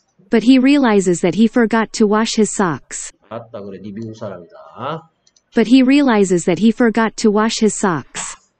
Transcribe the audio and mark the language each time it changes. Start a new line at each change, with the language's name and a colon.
English: But he realizes that he forgot to wash his socks.
Korean: 맞다, 그래, 네 미국 사람이다.
English: But he realizes that he forgot to wash his socks.